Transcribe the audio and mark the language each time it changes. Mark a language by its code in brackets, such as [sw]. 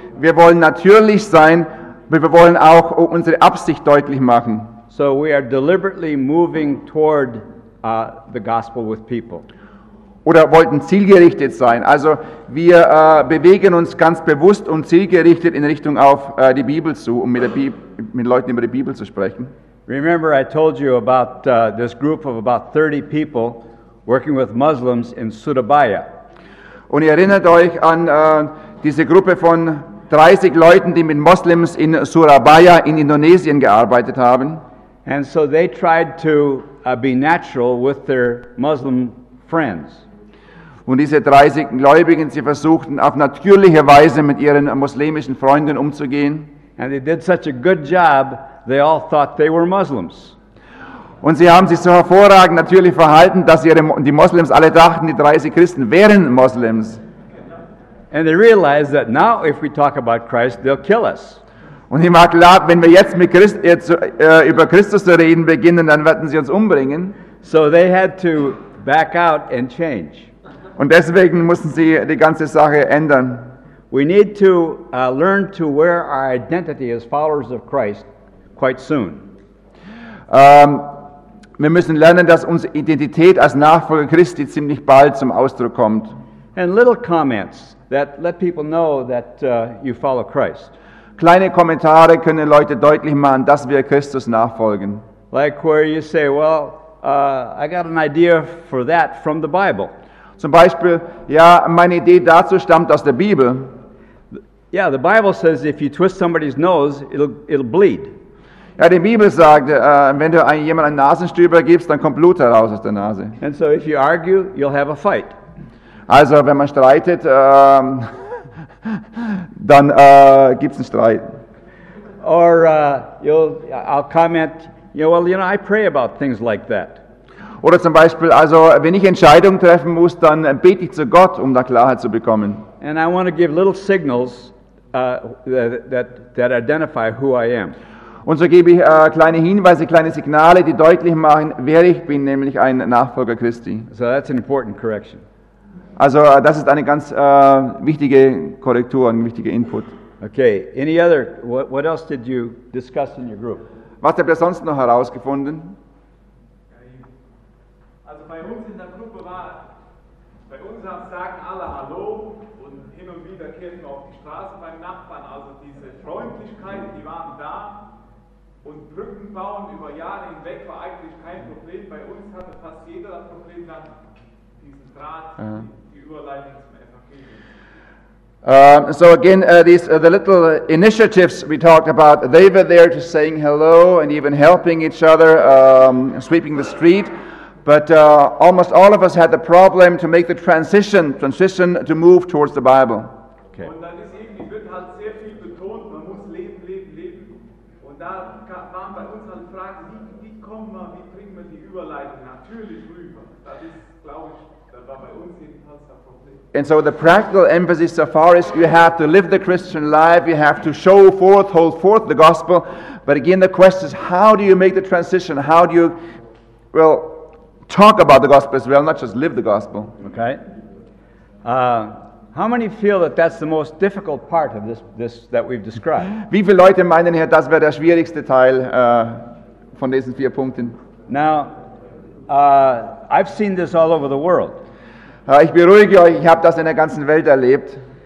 [de] Wir wollen natürlich sein, aber wir wollen auch unsere Absicht deutlich machen. [en] So we are deliberately moving toward the gospel with people. [de] Oder wollten zielgerichtet sein. Also wir bewegen uns ganz bewusst und zielgerichtet in Richtung auf die Bibel zu, um mit Leuten über die Bibel zu sprechen. [en] Remember, I told you about this group of about 30 people working with Muslims in Surabaya. [de] Und ihr erinnert euch an diese Gruppe von 30 Leuten, die mit Muslims in Surabaya in Indonesien gearbeitet haben. [en] And so they tried to be natural with their Muslim friends. [de] Und diese 30 Gläubigen, sie versuchten auf natürliche Weise mit ihren muslimischen Freunden umzugehen. [en] And they did such a good job, they all thought they were Muslims. [de] Und sie haben sich so hervorragend natürlich verhalten, dass die Muslims alle dachten, die 30 Christen wären Muslims. [en] And they realized that now if we talk about Christ, they'll kill us. [de] Und ihm war klar, wenn wir jetzt mit über Christus zu reden beginnen, dann werden sie uns umbringen. [en] So they had to back out and change. [de] Und deswegen mussten sie die ganze Sache ändern. [en] We need to learn to wear our identity as followers of Christ quite soon. [de] Wir müssen lernen, dass unsere Identität als Nachfolger Christi ziemlich bald zum Ausdruck kommt. [en] And little comments that let people know that you follow Christ. [de] Kleine Kommentare können Leute deutlich machen, dass wir Christus nachfolgen. [en] Like where you say, well, I got an idea for that from the Bible. [de] Zum Beispiel, ja, meine Idee dazu stammt aus der Bibel. [en] Yeah, the Bible says if you twist somebody's nose, it'll bleed. [de] Ja, die Bibel sagt, wenn du jemandem einen Nasenstüber gibst, dann kommt Blut heraus aus der Nase. [en] And so if you argue, you'll have a fight. [de] Also, wenn man streitet, dann gibt's einen Streit. [en] Or I'll comment, yeah, well, you know, I pray about things like that. [de] Oder zum Beispiel, also wenn ich Entscheidungen treffen muss, dann bete ich zu Gott, um da Klarheit zu bekommen. [en] And I want to give little signals that identify who I am. [de] Und so gebe ich kleine Hinweise, kleine Signale, die deutlich machen, wer ich bin, nämlich ein Nachfolger Christi. [en] So that's an important correction. [de] Also das ist eine ganz wichtige Korrektur, ein wichtiger Input. [en] Okay, any other, what else did you discuss in your group? [de] Was habt ihr sonst noch herausgefunden? bei uns in der Gruppe war, bei uns sagen alle Hallo und hin und wieder kehren wir auf die Straße beim Nachbarn. Also diese Freundlichkeit, die waren da. Und Brücken bauen über Jahre hinweg war eigentlich kein Problem. Bei uns hatte fast jeder das Problem, dann diesen Draht, die Überleitung zum Evangelium. [en] The little initiatives we talked about, they were there just saying hello and even helping each other, sweeping the street. But almost all of us had the problem to make the transition to move towards the Bible. Okay. [de] Und dann ist eben, wird halt sehr viel betont, man muss leben, leben, leben. Und da waren bei uns halt Fragen, wie bringen wir die Überleitung natürlich rüber? Das ist, glaube ich, das war bei uns jedenfalls ein Problem. [en] And so the practical emphasis so far is you have to live the Christian life, you have to show forth, hold forth the gospel. But again, the question is, how do you make the transition? How do you, well, talk about the gospel as well, not just live the gospel? Okay. How many feel that that's the most difficult part of this that we've described? [de] Wie viele Leute meinen hier, das wäre der schwierigste Teil von diesen vier Punkten? [en] Now, I've seen this all over the world. [de] Ich beruhige euch, ich habe das in der ganzen Welt erlebt.